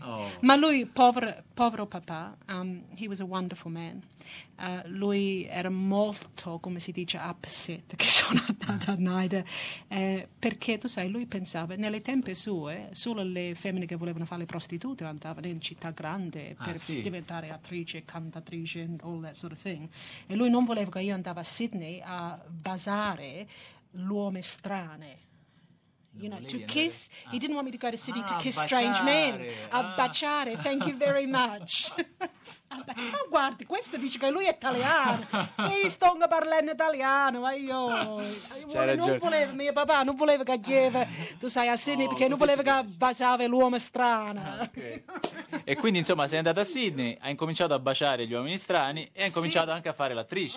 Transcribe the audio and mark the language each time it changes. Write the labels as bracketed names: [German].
[Italian] Oh. Ma lui, povero papà, [English] he was a wonderful man, [Italian] lui era molto, come si dice, upset che sono andata a NAIDA, perché tu sai, lui pensava, nelle tempi sue, solo le femmine che volevano fare le prostitute andavano in città grande per diventare attrice, cantatrice, [English] and all that sort of thing. [Italian] E lui non voleva che io andava a Sydney a basare l'uomo strano. [English] You know, to kiss, he didn't want me to go to Sydney to kiss strange men. [Italian] A baciare, [English] thank you very much. [Italian] Ma guardi, questo dice che lui è italiano. E io sto parlando italiano, ma io... mio papà non voleva che chieve, tu sai, a Sydney, perché non voleva che baciava l'uomo strano. Okay. E quindi, insomma, sei andata a Sydney, hai incominciato a baciare gli uomini strani e hai incominciato anche a fare l'attrice.